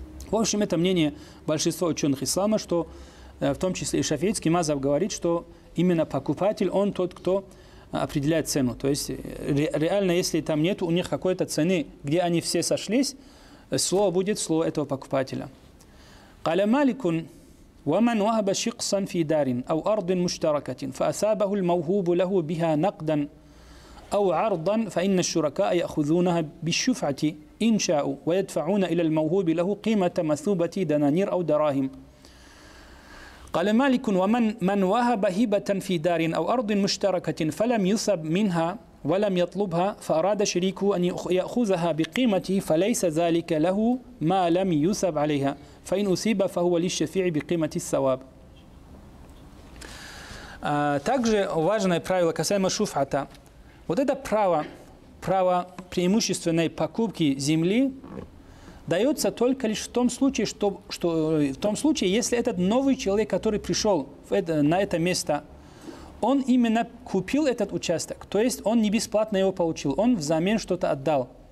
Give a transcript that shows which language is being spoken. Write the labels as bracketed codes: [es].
[ru] В общем, это мнение большинства ученых ислама, что в том числе и шафиитский мазхаб говорит, что именно покупатель, он тот, кто определяет цену. То есть реально, если там нет у них какой-то цены, где они все сошлись, слово будет слово этого покупателя. [ar] قال مالك ومن وهب شقصا في دار أو أرض مشتركة فأثابه الموهوب له بها نقدا أو عرضا فإن الشركاء يأخذونها بالشفعة إن شاءوا ويدفعون إلى الموهوب له قيمة مثوبة دنانير أو دراهم. قال مالك ومن وهب هبة في دار أو أرض مشتركة فلم يصب منها ولم يطلبها فأراد شريكه أن يأخذها بقيمته فليس ذلك له ما لم يصب عليها فإن أصيب فهو للشفيع بقيمة الثواب. [ru] Также важное правило касаемо шуфата. Вот это право право преимущественной покупки земли дается только лишь в том случае, если этот новый человек, который пришел на это место, он именно купил этот участок, то есть он не бесплатно его получил, он взамен что-то отдал.